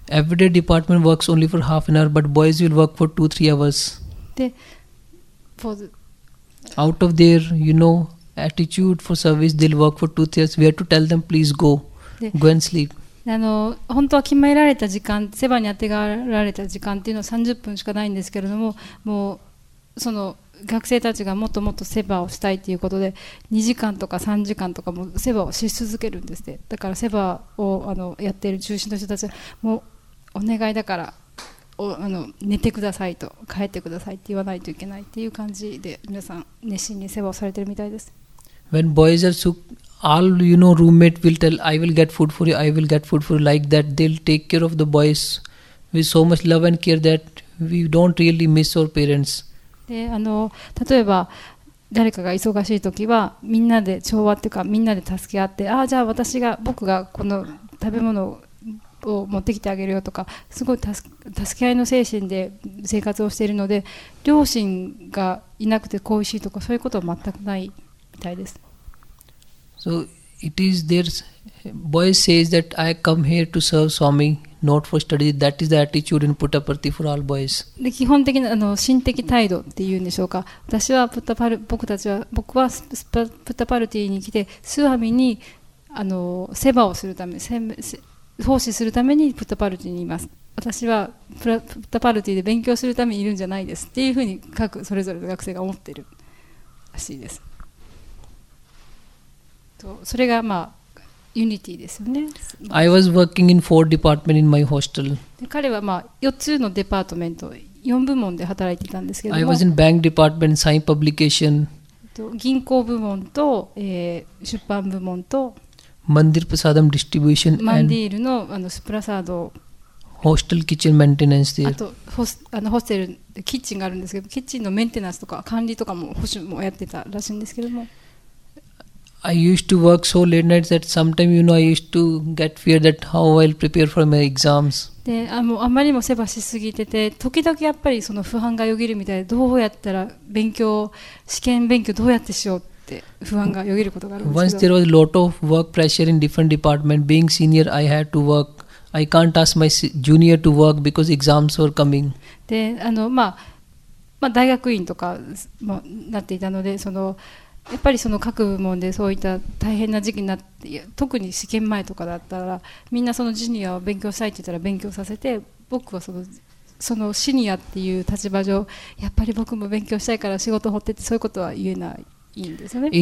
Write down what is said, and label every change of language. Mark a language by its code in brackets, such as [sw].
[en] Every day department works only for half an hour, but boys will work for 2-3 hours. で、 Out of their, you know, attitude for service, they'll work for 2-3 hours. We have to tell them, please go. Go and sleep. [ja] 本当は決められた時間、セバに当てがられた時間っていうのは30分しかないんですけれども、もうその学生たちがもっともっとセバをしたいということで2時間とか3時間とかもセバをし続けるんですって。だからセバをやっている中心の人たちはもうお願いだから寝てくださいと帰ってくださいって言わないといけないっていう感じで、皆さん熱心にセバをされているみたいです。 [en] when boys are so, all you know, roommate will tell, I will get food for you, I will get food for you, like that, they'll take care of the boys with so much love and care that we don't really miss our parents. [ja] で、あの、例えば誰かが忙しい時はみんなで調和っていうかみんなで助け合って、ああじゃあ私が僕がこの食べ物を持ってきてあげるよとか、すごい助け合いの精神で生活をしているので、両親がいなくて恋しいとかそういうことは全くないみたいです。 [en] So it is there, boy says that I come here to serve Swami, not for study. That is the attitude in Puttaparthi for all boys. [ja] で、基本的な、あの、神的態度っていうんでしょうか。私はプタパル、僕たちは、僕はプタパルティに来て、スワミに、あの、セバをするため、奉仕するためにプタパルティにいます。私はプタパルティで勉強するためにいるんじゃないですっていうふうに各それぞれの学生が思ってるらしいです。それがまあユニティですよね。 [en] I was working in four department in my hostel. [ja] 彼はまあ四つのデパートメント、四部門で働いていたんですけども。 [en] I was in bank department, sign publication. [ja] 銀行部門と、出版部門と。 [en] Mandir Prasadam distribution and. [ja] マンディールのあのスプラサード。 [en] Hostel kitchen maintenance there. [ja] あとホステルでキッチンがあるんですけど、キッチンのメンテナンスとか管理とかも保守もやってたらしいんですけども。 [en] I used to work so late nights that sometimes, you know, I used to get fear that how I'll prepare for my exams. [ja] で、あの、あまりにもせばしすぎてて、時々やっぱりその不安がよぎるみたいで、どうやったら勉強、試験勉強どうやってしようって不安がよぎることがあるんですけど。 [en] Once there was a lot of work pressure in different department. Being senior, I had to work. I can't ask my junior to work because exams were coming. [ja] で、あの、まあ、まあ、大学院とかもなっていたので、その、やっぱりその各部門でそういった大変な時期になって、特に試験前とかだったら、みんなそのジュニアを勉強したいって言ったら勉強させて、僕はそのシニアっていう立場上、やっぱり僕も勉強したいから仕事を放ってって、そういうことは言えないんですよね。